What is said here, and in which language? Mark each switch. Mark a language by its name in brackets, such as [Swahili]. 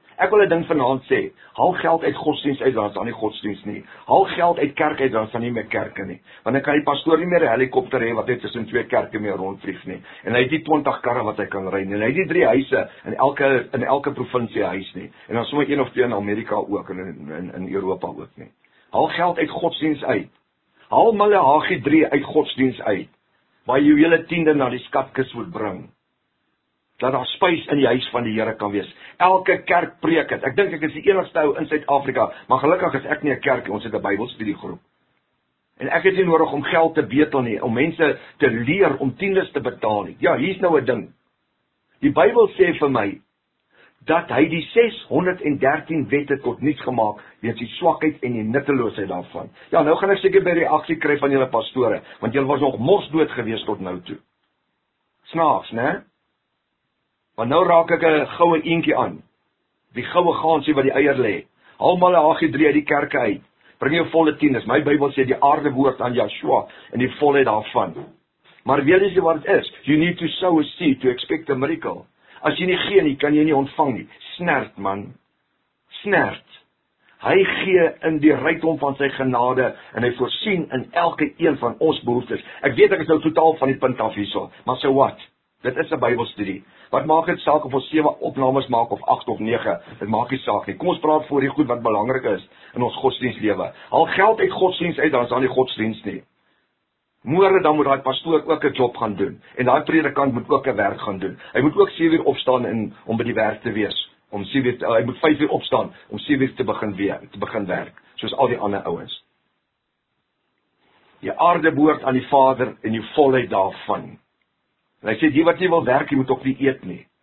[Afrikaans] Ek wil 'n ding vanaand sê, haal geld uit godsdienst uit, dan is daar nie godsdienst nie. Haal geld uit kerk uit, dan is daar nie meer kerke nie. Want dan kan die pastoor nie meer 'n helikopter hê wat net tussen twee kerke meer rondvlieg nie. En hy het nie 20 karre wat hy kan ry nie. En hy het nie 3 huise in elke provinsie huis nie. En dan sommer 1 of 2 in Amerika ook en in Europa ook nie. Haal geld uit godsdienst uit. Haal Maleagi 3 uit godsdienst uit. Waar jy hele tiende na die skatkis moet bring. Dat daar spys in die huis van die Here kan wees. Elke kerk preek het. Ek dink ek is die enigste ou in Suid-Afrika, maar gelukkig is ek nie 'n kerk nie, ons het 'n Bybelstudiegroep. En ek het nie nodig om geld te betel nie, om mense te leer om tiendes te betaal nie. Ja, hier's nou 'n ding. Die Bybel sê vir my dat hy die 613 wette tot niets gemaak weens die swakheid en die nutteloosheid daarvan. Ja, nou gaan ek seker by die reaksie kry van julle pastore, want julle was nog mos dood gewees tot nou toe. Snaaks, né? Maar nou raak ek 'n goue eentjie aan. Die goue gaansie wat die eier lê. Haal Maleagi 3 uit die kerke uit. Bring jou volle tiendes. My Bybel sê die aarde behoort aan Yeshua en die volheid daarvan. Maar weet jy wat dit is? [English] You need to sow a seed to expect a miracle. [Afrikaans] As jy nie gee nie, kan jy nie ontvang nie. Snert man. Snert. Hy gee in die rykdom van sy genade en hy voorsien in elke een van ons behoeftes. Ek weet ek is nou totaal van die punt af hierso, maar so wat? Dit is 'n Bybelstudie. Wat maak dit saak of ons 7 opnames maak of 8 of 9? Dit maak nie saak nie. Kom ons praat voor die goed wat belangrik is in ons godsdienstlewe. Haal geld uit godsdienst uit, dan is daar nie godsdienst nie. Môre dan moet daai pastoor ook 'n job gaan doen en daai predikant moet ook 'n werk gaan doen. Hy moet ook 7:00 opstaan en om by die werk te wees. Hy moet 5:00 opstaan om 7:00 te begin werk, soos al die ander ouens. Die aarde behoort aan die Vader en die volheid daarvan. En hy sê, die wat nie wil werk, jy moet ook nie eet nie.